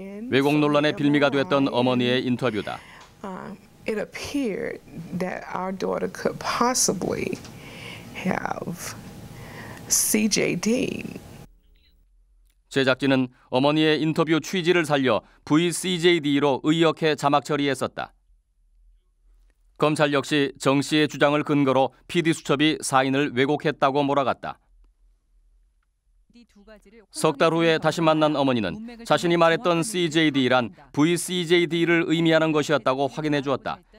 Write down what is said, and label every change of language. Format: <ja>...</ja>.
<ko>왜곡 논란의 빌미가 됐던 어머니의 인터뷰다.</ko> <en>It appeared that our daughter could possibly have CJD.</en> <ko>제작진은 어머니의 인터뷰 취지를 살려 VCJD로 의역해 자막 처리했었다. 검찰 역시 정 씨의 주장을 근거로 PD 수첩이 사인을 왜곡했다고 몰아갔다. 석 달 후에 다시 만난 어머니는 자신이 말했던 CJD란 VCJD를 의미하는 것이었다고 확인해 주었다.</ko>